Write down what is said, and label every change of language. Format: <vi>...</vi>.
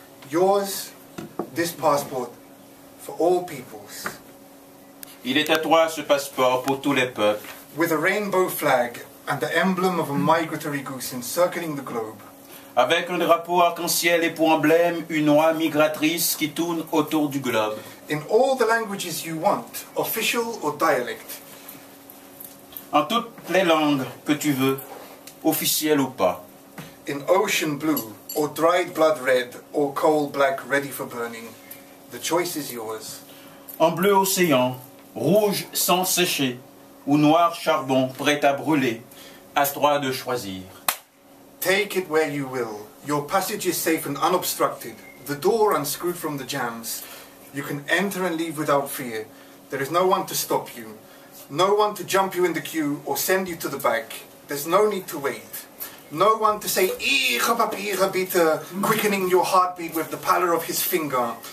<en>yours, this passport, for all peoples.</en> <fr>Il est à toi ce passeport pour tous les peuples.</fr> <en>With a rainbow flag and the emblem of a migratory goose encircling the globe.</en> <fr>Avec un drapeau arc-en-ciel et pour emblème une oie migratrice qui tourne autour du globe.</fr> <en>In all the languages you want, official or dialect.</en> <fr>En toutes les langues que tu veux, officielles ou pas.</fr> <en>In ocean blue, or dried blood red, or coal black ready for burning, the choice is yours.</en> <fr>En bleu océan, rouge sans sécher, ou noir charbon prêt à brûler, à toi de choisir.</fr> <en>Take it where you will, your passage is safe and unobstructed, the door unscrewed from the jams. You can enter and leave without fear. There is no one to stop you. No one to jump you in the queue or send you to the back. There's no need to wait. No one to say,</en> <de>Ich hab hier bitte,</de> <en>quickening your heartbeat with the pallor of his finger.</en>